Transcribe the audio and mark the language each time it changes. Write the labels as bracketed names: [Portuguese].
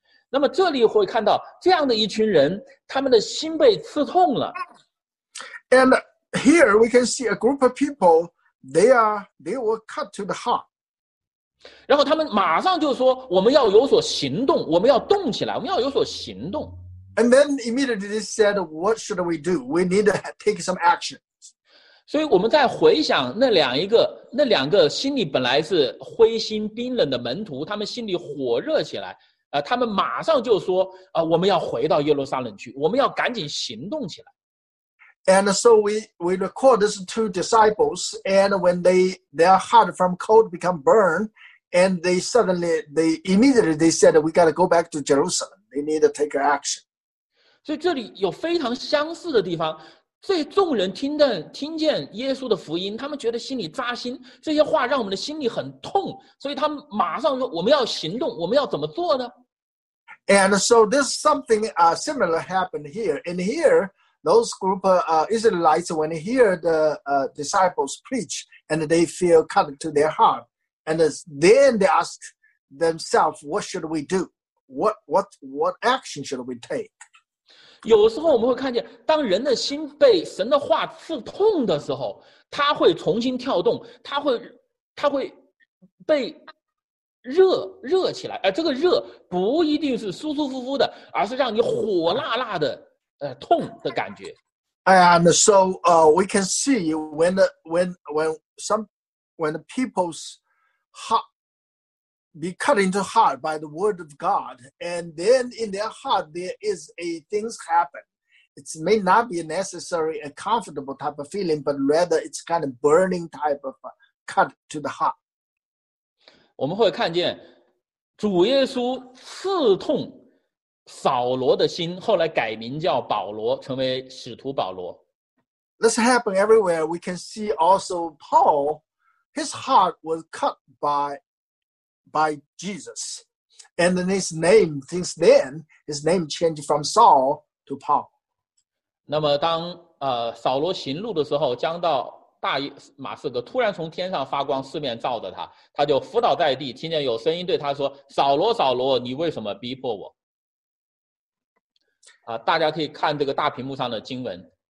[Chinese] 那么这里会看到这样的一群人，他们的心被刺痛了。 [English] And here we can see a group of people, they were cut to the heart. [Chinese] 然后他们马上就说，我们要有所行动，我们要动起来，我们要有所行动。 [English] And then immediately they said, what should we do? We need to take some action. [Chinese] 所以我们在回想那两个心里本来是灰心冰冷的门徒，他们心里火热起来。他们马上就说我们要回到耶路撒冷去，我们要赶紧行动起来。 [English] And so we record this two disciples, and when their heart from cold become burned, and they immediately said, we got to go back to Jerusalem. They need to take action. [Chinese] 所以这里有非常相似的地方，这些众人听见耶稣的福音，他们觉得心里扎心，这些话让我们的心里很痛，所以他们马上说，我们要行动，我们要怎么做呢？ [English] And so this something similar happened here. And here, those group of Israelites, when they hear the disciples preach, and they feel cut to their heart. And then they ask themselves, what should we do? What action should we take? [Chinese] 有时候我们会看见，当人的心被神的话刺痛的时候，他会重新跳动，他会被热起来。这个热不一定是舒舒服服的，而是让你火辣辣的，痛的感觉。 [English] And so, we can see when the people's heart be cut into heart by the word of God, and then in their heart there is a things happen. It may not be necessary a comfortable type of feeling, but rather it's kind of burning type of cut to the heart. [Chinese] 我们会看见主耶稣刺痛扫罗的心，后来改名叫保罗，成为使徒保罗。 [English] This happened everywhere. We can see also Paul, his heart was cut by Jesus. And then his name changed from Saul to Paul. [Chinese] 那么当扫罗行路的时候，将到大马士革，突然从天上发光，四面照着他，他就伏倒在地，听见有声音对他说，扫罗扫罗，你为什么逼迫我？大家可以看这个大屏幕上的经文。